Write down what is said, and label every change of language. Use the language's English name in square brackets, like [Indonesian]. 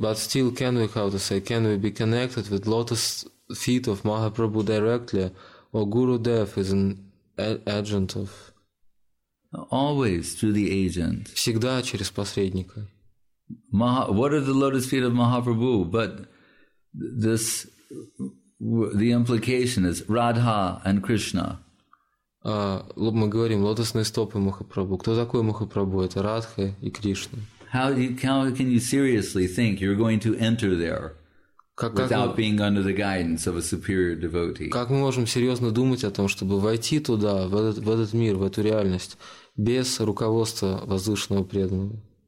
[English] Can we be connected with lotus feet of Mahaprabhu directly, or Gurudev is an agent of? Always through the agent. [Russian] Всегда через посредника. [English] What are the lotus feet of Mahaprabhu? But this, the implication is Radha and Krishna. [Russian] Мы говорим лотосные стопы Махапрабху. Кто такой Махапрабху? Это Радха и Кришна. [English] How can you seriously think you're going to enter there without being under the guidance of a superior devotee? [Russian] Как мы можем серьезно думать о том, чтобы войти туда, в этот мир, в эту реальность, без руководства возвышенного преданного?